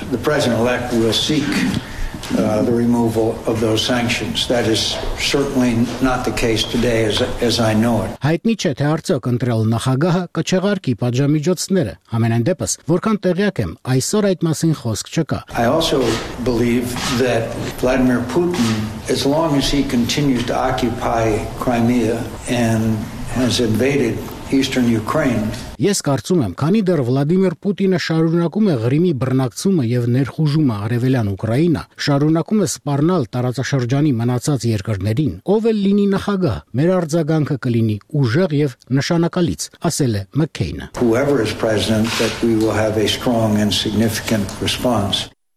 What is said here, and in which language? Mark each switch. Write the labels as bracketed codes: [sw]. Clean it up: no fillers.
[en] The removal of those sanctions. That is certainly not the case today as I know it. [hy] Հայտնի չէ, թե արդյոք ընտրել նախագահը կչեղարկի պատժամիջոցները։ Համենայն դեպս, որքան տեղյակ եմ, այսօր այդ մասին խոսք չկա։ [en] I also believe that Vladimir Putin, as long as he continues to occupy Crimea and has invaded Eastern Ukraine. [hy] Ես կարծում եմ, քանի դեռ Վլադիմիր Պուտինը շարունակում է Ղրիմի բռնակցումը եւ ներխուժումը արևելյան Ուկրաինա, շարունակում է սպառնալ տարածաշրջանի մնացած երկրներին, ով էլ լինի նախագահ, մեր արձագանքը կլինի ուժեղ եւ նշանակալից, ասել է Մքեյնը. [en] Whoever is president, that we will have a strong and significant response.